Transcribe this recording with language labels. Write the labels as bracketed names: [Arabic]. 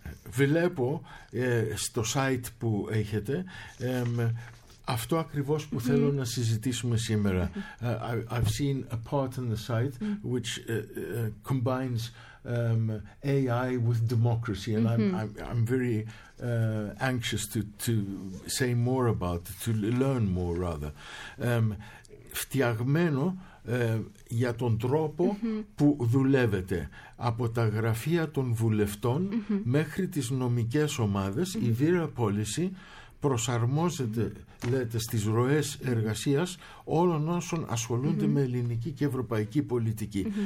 [Greek] Βλέπω στο site που έχετε αυτό ακριβώς που θέλω να συζητήσουμε σήμερα. [English] I've seen a part in the site which combines AI with democracy, and I'm very anxious to say more about, to learn more rather. [Greek] Φτιαγμένο για τον τρόπο που δουλεύετε, από τα γραφεία των βουλευτών μέχρι τις νομικές ομάδες, η ΒΥΡΑ Policy προσαρμόζεται, λέτε, στις ροές εργασίας όλων όσων ασχολούνται με ελληνική και ευρωπαϊκή πολιτική.